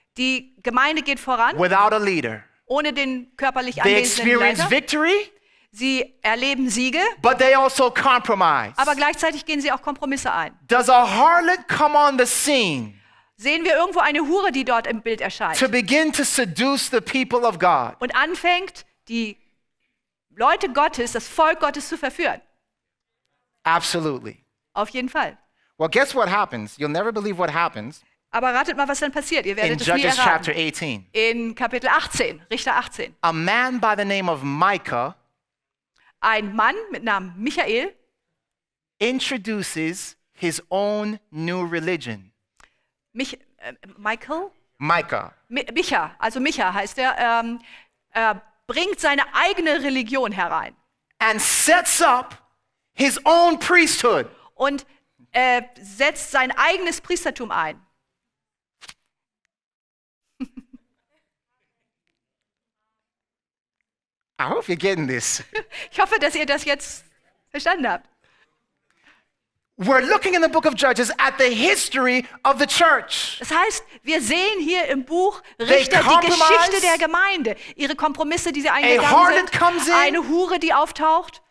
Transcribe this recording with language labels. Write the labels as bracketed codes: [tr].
[de] Die Gemeinde geht voran. [en] Without a leader. [de] Ohne den körperlich anwesenden Leiter. [en] They experience victory. [de] Sie erleben Siege. [en] But they also compromise. [de] Aber gleichzeitig gehen sie auch Kompromisse ein. [en] Does a harlot come on the scene? [de] Sehen wir irgendwo eine Hure, die dort im Bild erscheint. [en] To begin to seduce the people of God. [de] Und anfängt, die Leute Gottes, das Volk Gottes zu verführen. [en] Absolutely. [de] Auf jeden Fall. [en] Well, guess what happens? You'll never believe what happens. [de] Aber ratet mal, was dann passiert. Ihr werdet [en] in [de] es [en] Judges [de] nie erraten. [en] Chapter 18. [de] In Kapitel 18, Richter 18. [en] A man by the name of Micah, [de] ein Mann mit Namen Michael, [en] introduces his own new religion. [de] Michael? Micah. Micha, also Micha heißt er, bringt seine eigene Religion herein. [en] And sets up his own priesthood. [de] Und setzt sein eigenes Priestertum ein. [en] I hope you're getting this. [de] Ich hoffe, dass ihr das jetzt verstanden habt. [en] We're looking in the book of Judges at the history of the church. [de] Das heißt, wir sehen hier im Buch Richter die Geschichte der Gemeinde, ihre Kompromisse, die sie eingegangen sind, eine Hure, die auftaucht